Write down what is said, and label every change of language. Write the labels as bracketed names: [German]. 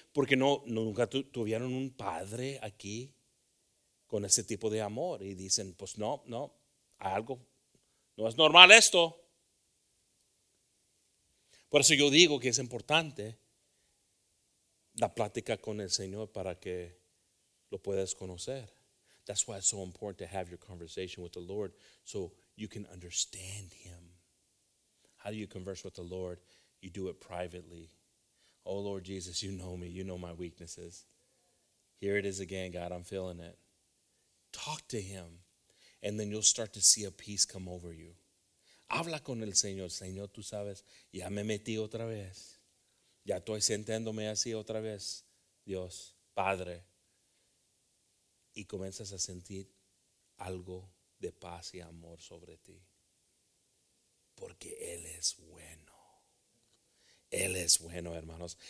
[Spanish] Porque nunca tuvieron un padre aquí con ese tipo de amor. Y dicen, pues no, hay algo. No es normal esto. Por eso yo digo que es importante la plática con el Señor para que lo puedas conocer. [English] That's why it's so important to have your conversation with the Lord so you can understand him. How do you converse with the Lord? You do it privately. Oh, Lord Jesus, you know me. You know my weaknesses. Here it is again, God. I'm feeling it. Talk to him, and then you'll start to see a peace come over you. [Spanish] Habla con el Señor. Señor, tú sabes, ya me metí otra vez. Ya estoy sintiéndome así otra vez. Dios, Padre. Y comienzas a sentir algo de paz y amor sobre ti. Porque Él es bueno. Él es bueno, hermanos.